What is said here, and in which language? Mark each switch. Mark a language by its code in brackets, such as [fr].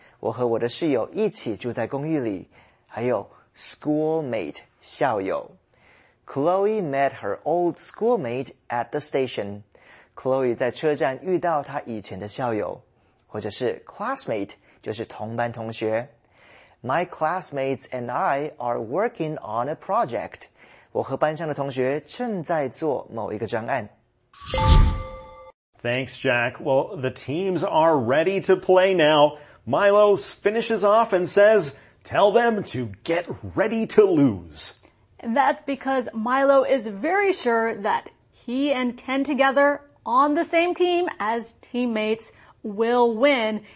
[zh] 我和我的室友一起住在公寓里。还有 schoolmate, 校友。 [en] Chloe met her old schoolmate at the station. [zh] Chloe 在车站遇到她以前的校友。或者是 classmate, 就是同班同学。 [en] My classmates and I are working on a project. [zh] 我和班上的同学正在做某一个专案。 [en] Thanks, Jack. Well, the teams are ready to play now. Milo finishes off and says, tell them to get ready to lose. And that's because Milo is very sure that he and Ken together on the same team as teammates will win.